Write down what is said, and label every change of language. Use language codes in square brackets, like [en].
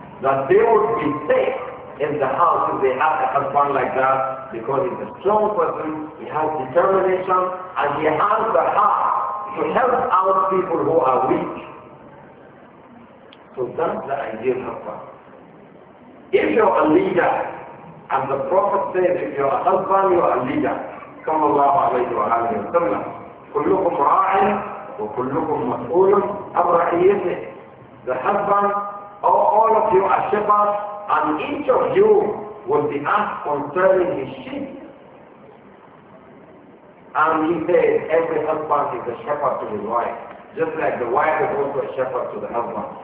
[en] That they would be safe in the house if they had a husband like that, because he's a strong person, he has determination, and he has the heart to help out people who are weak. So that's the ideal husband. If you're a leader, and the Prophet says, if you're a husband, you're a leader. [ar] صلى الله عليه وآله وسلم كلكم راع وكلكم مسؤول عن رعيته. [en] The husband, all of you are shepherds, and each of you will be asked concerning his sheep. And he said, every husband is a shepherd to his wife, just like the wife is also a shepherd to the husband.